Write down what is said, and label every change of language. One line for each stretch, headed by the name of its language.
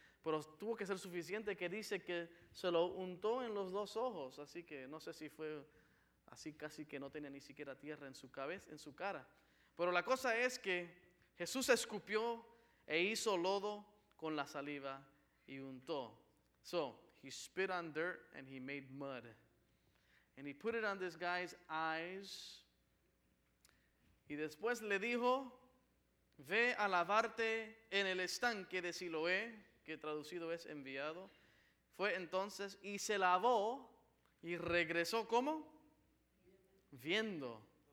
Spanish: Pero tuvo que ser suficiente, que dice que se lo untó en los dos ojos. Así que no sé si fue así, casi que no tenía ni siquiera tierra en su cabeza, en su cara. Pero la cosa es que Jesús escupió e hizo lodo con la saliva y untó.
English: So, he spit on dirt and he made mud. And he put it on this guy's eyes.
Spanish: Y después le dijo, ve a lavarte en el estanque de Siloé, que traducido es enviado. Fue entonces y se lavó y regresó, ¿cómo? Viendo.